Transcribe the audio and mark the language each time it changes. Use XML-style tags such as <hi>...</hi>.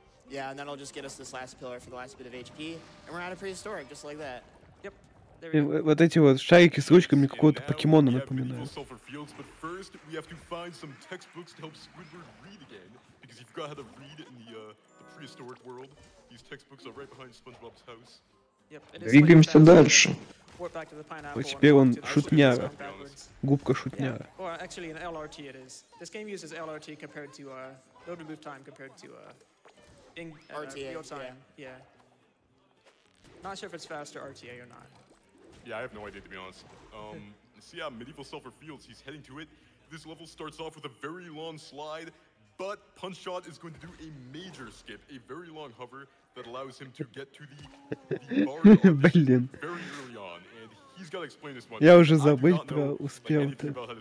<en>Yeah, and that'll just get us this last pillar for the last bit of HP, and we're out of prehistoric, just like that. Yep.</en> <ru>Вот эти вот шарики с ручками какого-то покемона напоминают.</ru> <en>First, we have to find some textbooks to help Squidward read again, because you've got how to read in the prehistoric world. These textbooks are right behind SpongeBob's house.</en> <ru>Двигаемся дальше. Вот теперь он шутняра. Губка шутняра.</ru> <en>Or actually, an LRT it is. This game uses LRT compared to, load remove time compared to, RTA, real time. Yeah. Not sure if it's faster RTA or not. Yeah, I have no idea, to be honest. Medieval Sulfur Fields, he's heading to it. This level starts off with a very long slide, but Punchshot is going to do a major skip, a very long hover that allows him to get to the bar very early on, and he's got to explain this one.</en> <ru>Я уже забыл про успел это.</ru>